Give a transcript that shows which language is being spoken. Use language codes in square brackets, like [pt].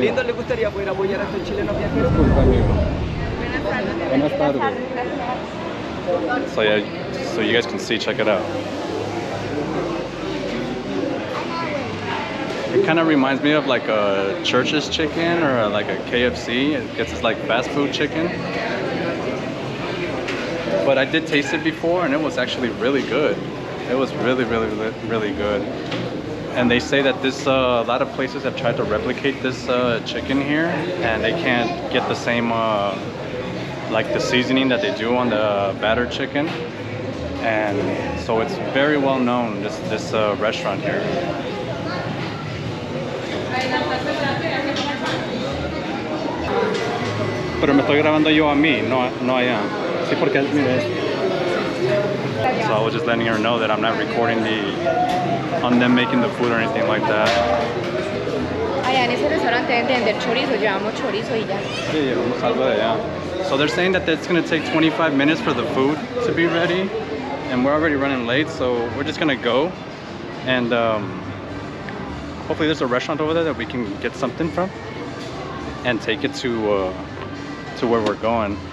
[es] ¿Lindo, le gustaría poder apoyar a estos chilenos viajeros? Disculpa, amigo. Buenas tardes. Buenas tardes. [en] So yeah, so you guys can see, check it out. It kind of reminds me of like a church's chicken or like a KFC. It gets this like fast food chicken. But I did taste it before and it was actually really good. It was really, really, really good. And they say that this, a lot of places have tried to replicate this chicken here and they can't get the same, like the seasoning that they do on the batter chicken. And so it's very well known, this restaurant here. [es] Pero me estoy grabando yo a mí, no allá. Sí, porque mire. [en] So I was just letting her know that I'm not recording on them making the food or anything like that. [es] Allá en ese restaurante deben de vender chorizo, llevamos chorizo y ya. Sí, vamos a salvar allá. [en] So they're saying that it's gonna take 25 minutes for the food to be ready, and we're already running late, so we're just gonna go, and hopefully there's a restaurant over there that we can get something from, and take it to where we're going.